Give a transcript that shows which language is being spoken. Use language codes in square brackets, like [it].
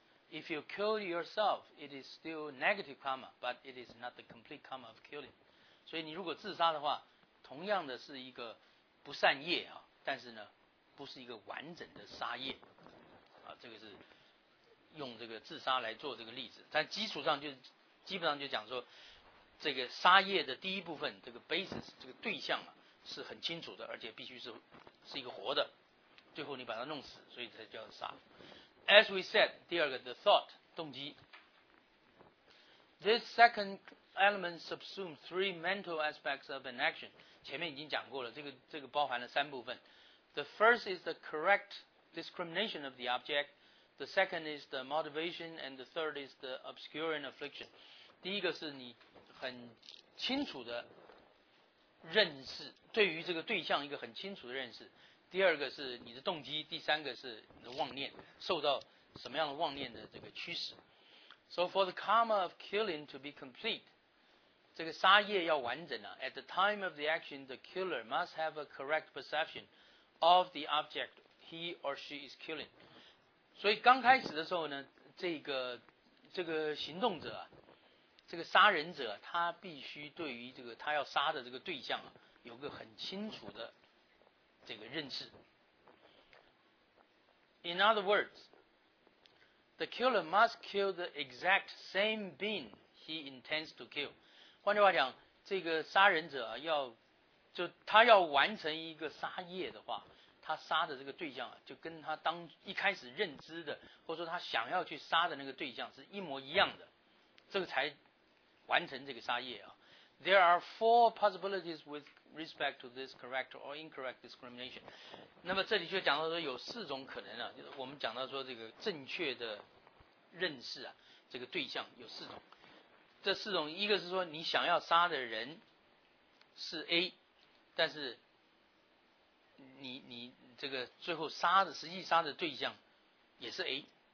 [en] If you kill yourself, it is still negative karma, but it is not the complete karma of killing. [zh] 所以你如果自杀的话，同样的是一个不善业啊，但是呢，不是一个完整的杀业啊。这个是用这个自杀来做这个例子，但基础上就基本上就讲说，这个杀业的第一部分，这个 basis 这个对象啊是很清楚的，而且必须是一个活的，最后你把它弄死，所以才叫杀。 [en] As we said, [zh] 第二个 [en] the thought, [zh] 动机。 [en] This second element subsumes three mental aspects of an action. [zh] 前面已经讲过了，这个包含了三部分。 [en] The first is the correct discrimination of the object. The second is the motivation, and the third is the obscuring affliction. [zh] 第一个是你很清楚的认识，对于这个对象一个很清楚的认识。第二个是你的动机，第三个是你的妄念，受到什么样的妄念的这个驱使。 [en] So for the karma of killing to be complete, [zh] 这个杀业要完整啊 [en] ,at the time of the action, the killer must have a correct perception of the object he or she is killing. [zh] 所以刚开始的时候呢，这个行动者啊，这个杀人者他必须对于这个他要杀的这个对象啊，有个很清楚的这个认识。 [en] In other words, the killer must kill the exact same being he intends to kill. [zh] 换句话讲，这个杀人者要就他要完成一个杀业的话，他杀的这个对象就跟他当一开始认知的，或者说他想要去杀的那个对象是一模一样的，这个才完成这个杀业啊。 [en] There are four possibilities with respect to this correct or incorrect discrimination. [zh] 那么这里就讲到说有四种可能啊，就是我们讲到说这个正确的认识啊，这个对象有四种。这四种，一个是说你想要杀的人是 A， 但是你这个最后杀的实际杀的对象也是 A，